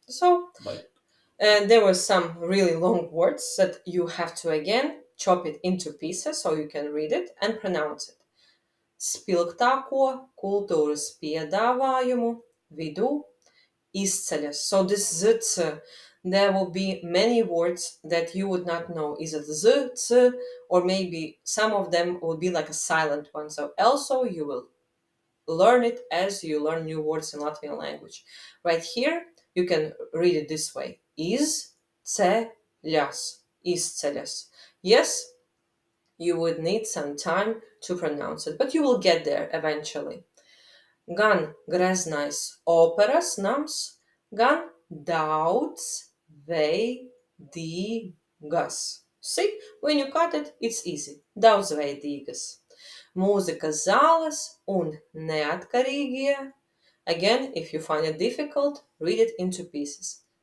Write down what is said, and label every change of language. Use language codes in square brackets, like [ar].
[en] So, there were some really long words that you have to again chop it into pieces so you can read it and pronounce it. [lv] Spilgtāko kultūras piedāvājumu vidū izceļas. [en] So, this z, c, there will be many words that you would not know. Is it z, c, or maybe some of them will be like a silent one. So, also you will learn it as you learn new words in Latvian language. Right here, you can read it this way. Izceļas. izceļas. Yes, you would need some time to pronounce it, but you will get there eventually. [lv] Gan greznais operas nams, gan daudz veidīgas. [en] See, when you cut it, it's easy. Daudz veidīgas. [lv] Mūzikas zāles un neatkarīgie. [en] Again, if you find it difficult, read it into pieces.